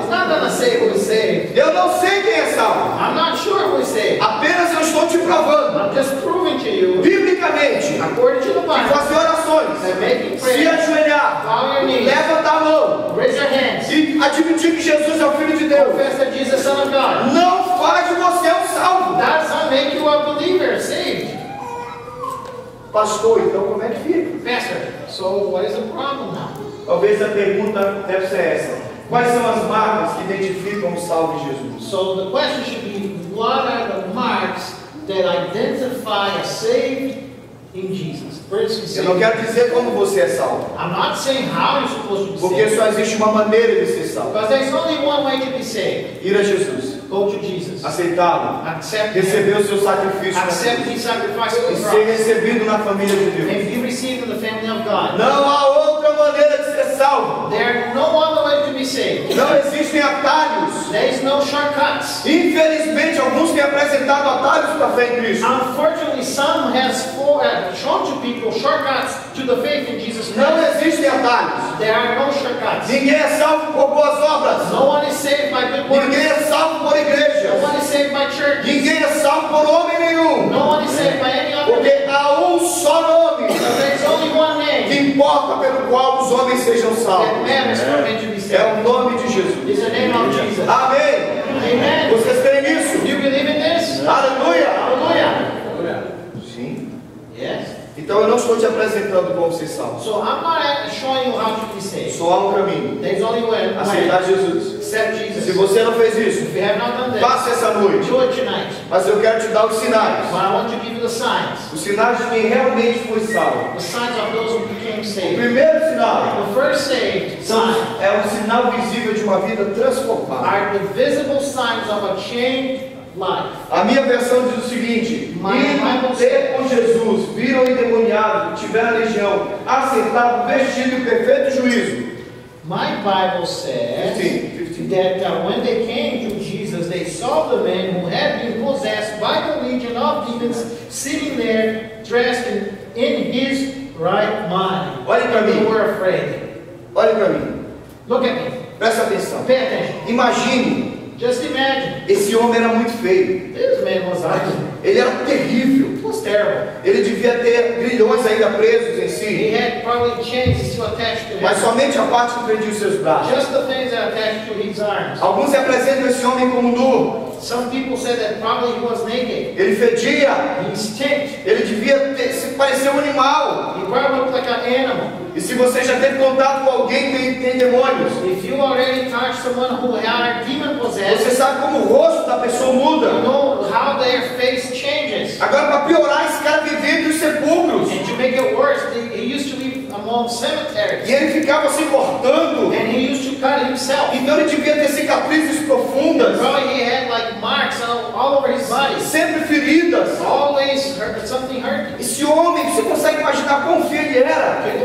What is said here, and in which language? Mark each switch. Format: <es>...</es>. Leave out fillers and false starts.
<en>He's not gonna say who is saved.</en> <pt>Eu não sei quem é salvo.</pt> <en>I'm not sure who is saved.</en> <pt>Apenas eu estou te provando.</pt> <en>I'm just proving to you.</en> <pt>Biblicamente. corretamente,</pt> <en>according to the Bible,</en> <pt>se ajoelhar, levanta a mão,</pt> <en>raise your hands,</en> <pt>e admitir que Jesus é o Filho de Deus,</pt> <en>confess that Jesus is the Son of God.</en> <pt>Não faz você um salvo.</pt> <en>That does not make you a believer, saved.</en> <pt>Pastor, então como é que fica?</pt> <en>Pastor, so what is the problem now?</en> <pt>Talvez a pergunta deve ser essa. Quais são as marcas que identificam o salvo de Jesus?</pt> <en>So the question should be, what are the marks that identify a saved in Jesus?</en> <pt>Eu não quero dizer como você é salvo.</pt> <en>I'm not saying how you're supposed to be</en> <pt>Porque só existe uma maneira de ser salvo.</pt> <en>Because there's only one way to be saved.</en> <pt>Ir a Jesus.</pt> <en>Go to Jesus.</en> <pt>Aceitá-lo.</pt> <en>Accept</en> <pt>receber</pt> <en>him.</en> <pt>O seu sacrifício.</pt> <en>Accept his sacrifice</en> <pt>e ser recebido na família de Deus.</pt> <en>And be received in the family of God.</en> <pt>Não há outra maneira de ser salvo.</pt> <en>There are no other way to be saved.</en> <pt>Não existem atalhos.</pt> <en>There is no shortcuts.</en> <pt>Infelizmente, alguns têm apresentado atalhos para a fé em Cristo.</pt> <en>Unfortunately, some has shown to people shortcuts to the faith in Jesus Christ.</en> <pt>Não existem atalhos.</pt> <en>There are no shortcuts.</en> <pt>Ninguém é salvo por boas obras.</pt> <en>No one is saved by good works.</en> <pt>Ninguém é salvo por igreja.</pt> <en>No one is saved by church.</en> <pt>Ninguém é salvo por homem nenhum.</pt> <en>No one is saved by any other.</en> <pt>Porque há só nome.</pt> <en>There is only one name.</en> <pt>Que importa pelo qual os homens sejam salvos.</pt> <en>That matters for men to be saved.</en> <pt>É o nome de Jesus.</pt> <en>It's the name of Jesus.</en> <pt>Amém.</pt> <en>Amen.</en> <pt>Vocês creem nisso?</pt> <en>Do you believe in this?</en> <pt>Aleluia. Aleluia. Sim.</pt> <en>Yes.</en> <pt>Então eu não estou te apresentando como ser salvo.</pt> <en>So I'm not showing you how to be saved.</en> <pt>Só há um caminho.</pt> <en>There's only one.</en> <pt>Aceitar Jesus.</pt> <en>Accept Jesus.</en> <pt>Se você não fez isso,</pt> <en>if you have not done that,</en> <pt>passe essa noite.</pt> <en>Do it tonight.</en> <pt>Mas eu quero te dar os sinais.</pt> <en>But I want to give you the signs.</en> <pt>Os sinais de quem realmente foi salvo.</pt> <en>The signs of those who became saved.</en> <pt>O primeiro sinal.</pt> <en>The first saved sign.</en> <pt>É um sinal visível de uma vida transformada.</pt> <en>Are the visible signs of a changed life.</en> <pt>A minha versão diz o seguinte: com Jesus viram endemoniado, tiveram legião, aceitaram, vestido e perfeito juízo.</pt> <en>My Bible says 15. That when they came to Jesus, they saw the man who had been possessed by the legion of demons sitting there, dressed in his right mind.</en> <pt>Olhe para mim.</pt> <en>They were afraid.</en> <pt>Olhe para mim.</pt> <en>Look at me.</en> <pt>Presta atenção.</pt> <en>Pay attention.</en> <pt>Imagine.</pt> <en>Just imagine.</en> <pt>Esse homem era muito feio.</pt> <en>This man was ugly.</en> <pt>Ele era terrível.</pt> <en>It was terrible.</en> <pt>Ele devia ter grilhões ainda presos em si.</pt> <en>He had probably chains still attached to him.</en> <pt>Mas somente a parte que prendia os seus braços.</pt> <en>Just the things that attached to his arms.</en> <pt>Alguns apresentam esse homem como nu.</pt> <en>Some people said that probably he was naked.</en> <pt>Ele fedia.</pt> <en>He stinked.</en> <pt>Ele devia parecer um animal.</pt> <en>He probably looked like an animal.</en> <pt>E se você já teve contato com alguém que tem demônios,</pt> <en>if you already touched someone who had a demon possessed,</en> <pt>você sabe como o rosto da pessoa muda.</pt> <en>You know how their face changes.</en> <pt>Agora, para piorar, esse cara vivia entre os sepulcros.</pt> <en>And to make it worse, he used to live among cemeteries.</en> <pt>E ele ficava se cortando.</pt> <en>And he used to cut himself.</en> <pt>Então ele devia ter cicatrizes profundas.</pt> <en>And probably he had like marks all over his body.</en> <pt>Sempre feridas.</pt> <en>Always hurt, something hurting.</en> <pt>Esse homem, você consegue imaginar quão feio ele era?</pt>